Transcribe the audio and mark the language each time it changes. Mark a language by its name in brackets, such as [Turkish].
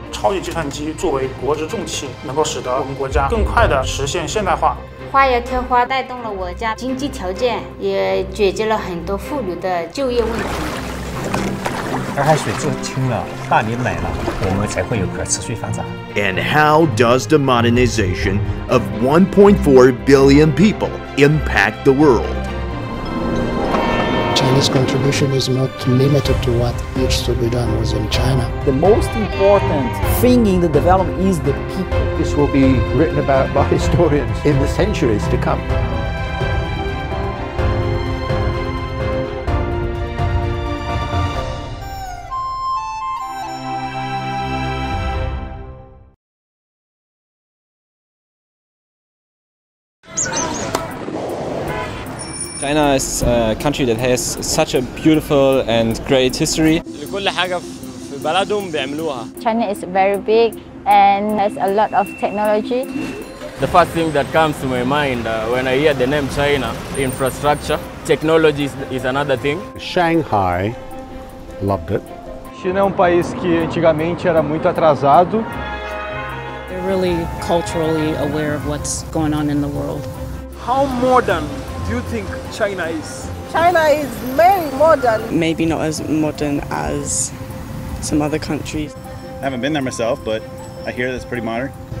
[Chinese] 超级计算机作为国之重器，能够使得我们国家更快地实现现代化。花样天花带动了我家经济条件，也解决了很多妇女的就业问题。洱海水做清了，大米买了，我们才会有可持续发展。 [English] And how does the modernization of 1.4 billion people impact the world? China's contribution is not limited to what needs to be done within China. The most important thing in the development is the people. This will be written about by historians in the centuries to come. China is a country that has such a beautiful and great history. China is very big and has a lot of technology. The first thing that comes to my mind when I hear the name China, infrastructure, technology is another thing. Shanghai loved it. [Portuguese] China é país que antigamente era muito atrasado. [English] They're really culturally aware of what's going on in the world. How modern do you think China is? China is very modern. Maybe not as modern as some other countries. I haven't been there myself, but I hear that's pretty modern.